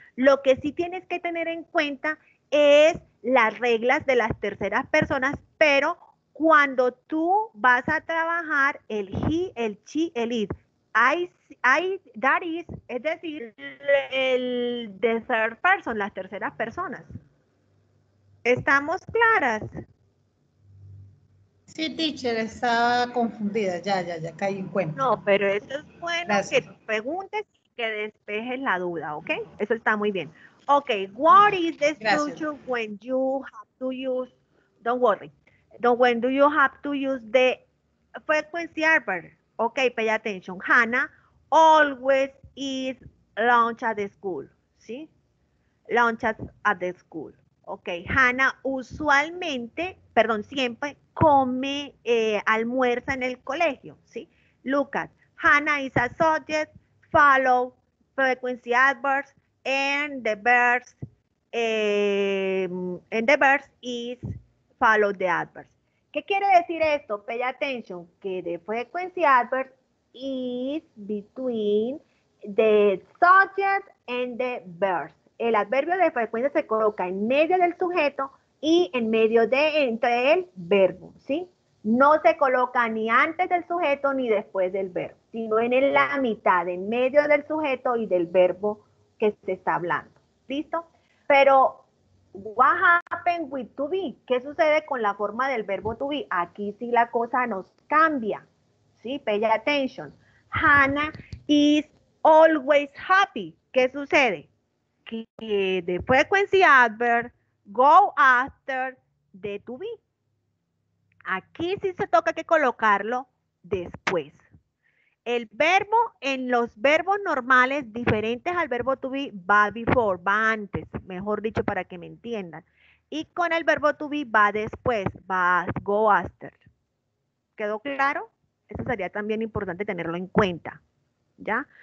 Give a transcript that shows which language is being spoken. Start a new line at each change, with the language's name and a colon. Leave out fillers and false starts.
Spanish: Lo que sí tienes que tener en cuenta es las reglas de las terceras personas, pero cuando tú vas a trabajar el he, el she, el it,
English: that is,
Spanish: es decir, el
English: the third person,
Spanish: las terceras personas. ¿Estamos claras? Sí, teacher, estaba confundida. Ya caí en cuenta. No, pero eso es bueno. Gracias. Que preguntes y que despejes la duda, ¿ok? Eso está muy bien.
English: Ok, what is the structure when you have to use, don't worry, when do you have to use the frequency adverb? Ok, pay attention. Hannah always eats lunch at the school.
Spanish: ¿Sí?
English: Lunch at the school.
Spanish: Ok, Hannah usualmente, perdón, siempre come almuerza en el colegio. ¿Sí?
English: Lucas, Hannah is a subject, follow frequency adverbs, and the verb is follow the adverbs.
Spanish: ¿Qué quiere decir esto?
English: Pay attention,
Spanish: que
English: the frequency adverb is between the subject and the verb.
Spanish: El adverbio de frecuencia se coloca en medio del sujeto y en medio de, entre el verbo, ¿sí? No se coloca ni antes del sujeto ni después del verbo, sino en la mitad, en medio del sujeto y del verbo que se está hablando, ¿listo? Pero
English: what happened with to be?
Spanish: ¿Qué sucede con la forma del verbo to be? Aquí sí la cosa nos cambia, ¿sí?
English: Pay attention. Hannah is always happy.
Spanish: ¿Qué sucede? Que
English: the frequency adverb go after the to be.
Spanish: Aquí sí se toca que colocarlo después. El verbo en los verbos normales diferentes al verbo to be va
English: before,
Spanish: va antes, mejor dicho para que me entiendan. Y con el verbo to be va después, va
English: go after.
Spanish: ¿Quedó claro? Eso sería también importante tenerlo en cuenta. ¿Ya?